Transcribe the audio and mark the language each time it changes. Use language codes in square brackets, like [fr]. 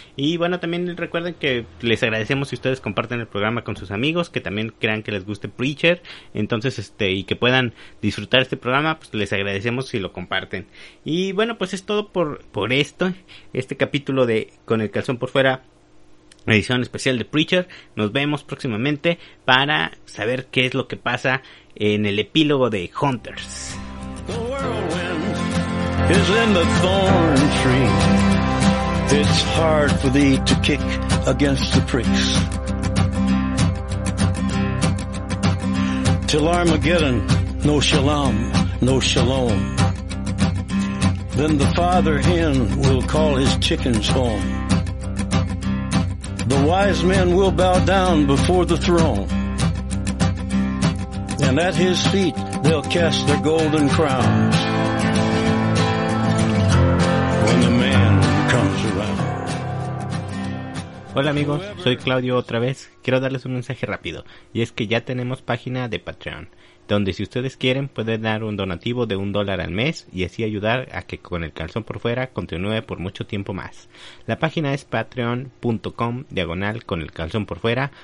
[es] Y bueno, también recuerden que les agradecemos si ustedes comparten el programa con sus amigos, que también crean que les guste Preacher, entonces y que puedan disfrutar este programa, pues les agradecemos si lo comparten. Y bueno, pues es todo por esto, este capítulo de Con el Calzón por Fuera, edición especial de Preacher. Nos vemos próximamente para saber qué es lo que pasa en el epílogo de Hunters. [en] The whirlwind is in the thorn tree. It's hard for thee to kick against the pricks. Till Armageddon, no shalom, no shalom. Then the father hen will call his chickens home. The wise men will bow down before the throne. And at his feet, they'll cast their golden crowns. When the man comes around. [es] Hola amigos, soy Claudio otra vez. Quiero darles un mensaje rápido. Y es que ya tenemos página de Patreon. Donde si ustedes quieren, pueden dar un donativo de $1 al mes. Y así ayudar a que Con el Calzón por Fuera continúe por mucho tiempo más. La página es patreon.com/con el calzón por fuera.